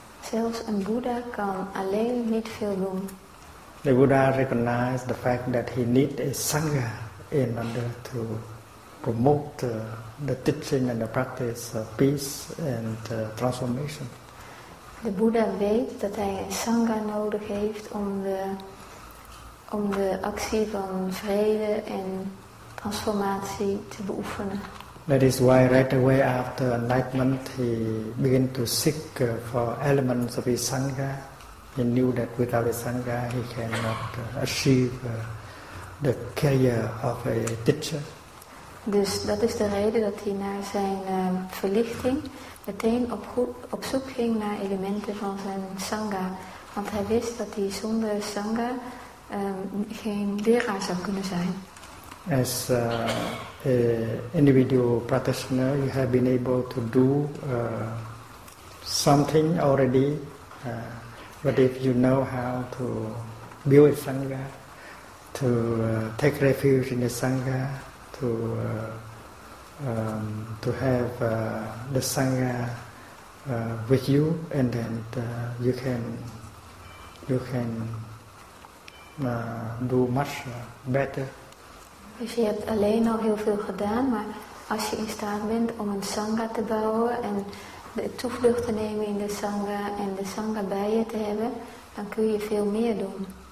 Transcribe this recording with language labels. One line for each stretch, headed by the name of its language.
Dutch: Zelfs een Buddha kan alleen niet veel doen.
English: The Buddha recognized the fact that he needed a sangha in order to promote the teaching and the practice of peace and transformation.
Dutch: De Buddha weet dat hij een sangha nodig heeft om de actie van vrede en transformatie te beoefenen.
English: That is why right away after enlightenment he began to seek for elements of his sangha. He knew that without a sangha, he cannot achieve the career of a teacher.
Dutch: Dus dat is de reden dat hij naar zijn verlichting meteen op zoek ging naar elementen van zijn sangha. Want hij wist dat hij zonder sangha geen leraar zou kunnen zijn.
English: As an individual practitioner, you have been able to do something already. But if you know how to build a sangha, to take refuge in the sangha, to have the sangha with you, and then you can do much better.
Dutch: Dus je hebt alleen al heel veel gedaan, maar als je in staat bent om een sangha te bouwen en de toevlucht te nemen in de sangha en de sangha bij je te hebben, dan kun je veel meer doen.